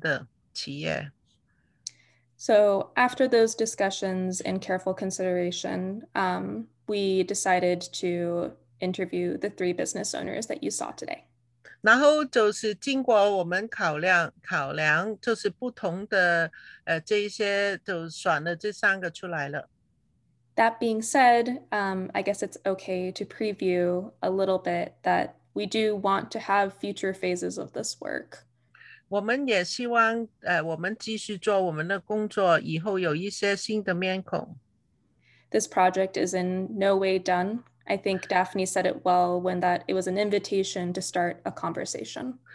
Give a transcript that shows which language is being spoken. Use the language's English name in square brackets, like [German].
[Chinese] 然后有一些是比较在这个地方已经开业很多年的，也有一些比较新一点的，新移民的开业短一点时间的企业。 [English] So after those discussions and careful consideration, we decided to interview the three business owners that you saw today. [Chinese] 然后就是经过我们考量，就是不同的这一些，就选了这三个出来了。 [English] That being said, I guess it's okay to preview a little bit that we do want to have future phases of this work. [Chinese] 我们也希望我们继续做我们的工作，以后有一些新的面孔。 [English] This project is in no way done. I think Daphne said it well when that it was an invitation to start a conversation.